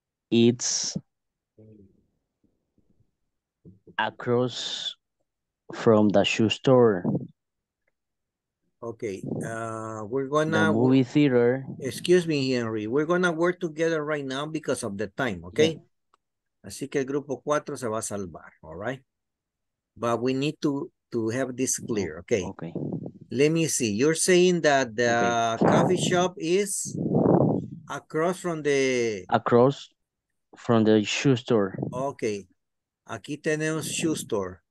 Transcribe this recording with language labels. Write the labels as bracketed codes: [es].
[en] It's across from the shoe store. Okay, we're gonna... The movie theater. Excuse me, Henry. We're gonna work together right now because of the time, okay? Yeah. [es] Así que el grupo cuatro se va a salvar, [en] all right? But we need to have this clear, okay? Okay. Let me see. You're saying that the coffee shop is across from the... Across... From the shoe store. [es] Okay. Aquí tenemos shoe store.